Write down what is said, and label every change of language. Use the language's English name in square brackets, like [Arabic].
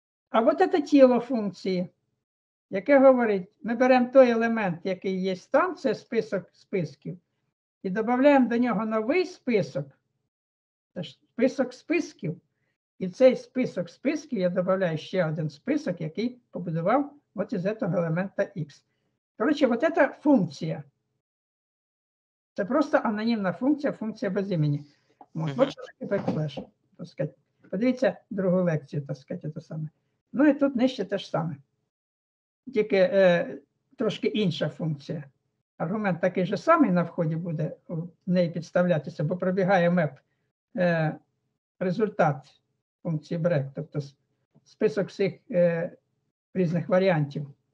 [Ukrainian] А от це тіло функції, яке говорить, ми беремо той елемент, який є там, це список списків, і додаємо до нього новий список, це ж список списків. І в цей список списків я додаю ще один список, який побудував от із цього елемента X. [Russian] Короче, вот эта функция, это просто анонимная функция, функция без имени. Вот что такое backslash, так сказать. [Ukrainian] Подивіться [Russian] другую лекцию, так сказать, это самое. Ну и тут нижче те же самое. [Ukrainian] Тільки трошки інша функция. Аргумент такий же самий на вході буде в неї підставлятися, бо пробігає map результат функції break, тобто список всіх різних варіантів.